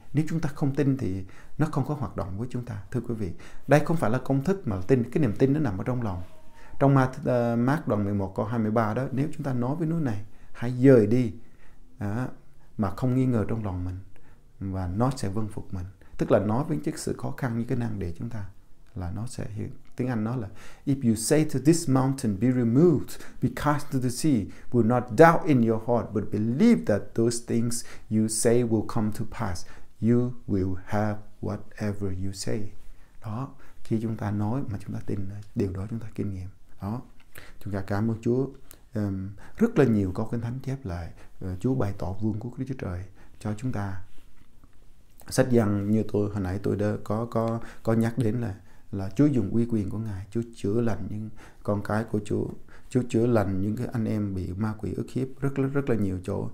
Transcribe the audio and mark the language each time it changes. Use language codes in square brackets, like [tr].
[vi] Nếu chúng ta không tin thì nó không có hoạt động với chúng ta. Thưa quý vị, đây không phải là công thức mà tin, cái niềm tin nó nằm ở trong lòng. Trong Mark đoạn 11 câu 23 đó, nếu chúng ta nói với núi này hãy dời đi đó, mà không nghi ngờ trong lòng mình, và nó sẽ vâng phục mình. Tức là nói với những sự khó khăn như cái nan đề chúng ta, là nó sẽ hiện. Tiếng Anh nó là [en] if you say to this mountain be removed, be cast to the sea, will not doubt in your heart, but believe that those things you say will come to pass, you will have whatever you say. [vi] Đó, khi chúng ta nói mà chúng ta tin, điều đó chúng ta kinh nghiệm. Đó, chúng ta cảm ơn Chúa. Rất là nhiều câu kinh thánh chép lại Chúa bày tỏ vương quốc Đức Chúa Trời cho chúng ta. Sách Giăng như tôi hồi nãy tôi đã có nhắc đến là Chúa dùng uy quyền của Ngài, Chúa chữa lành những con cái của Chúa, Chúa chữa lành những cái anh em bị ma quỷ ức hiếp, rất rất rất là nhiều chỗ.